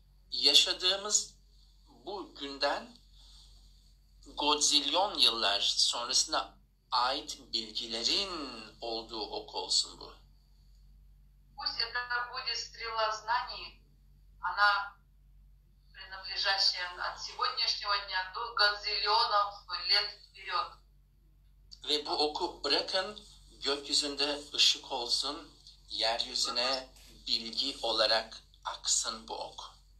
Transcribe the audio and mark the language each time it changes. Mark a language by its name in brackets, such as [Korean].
[Turkish] Yaşadığımız bu günden godzilyon yıllar sonrasına ait bilgilerin olduğu ok olsun bu. [Russian] Пусть это будет стрела знаний, она принадлежащая от сегодняшнего дня до годзиллионов лет вперед. [Turkish] Ve bu oku bırakın, gökyüzünde ışık olsun, yeryüzüne bilgi olarak aksın bu ok.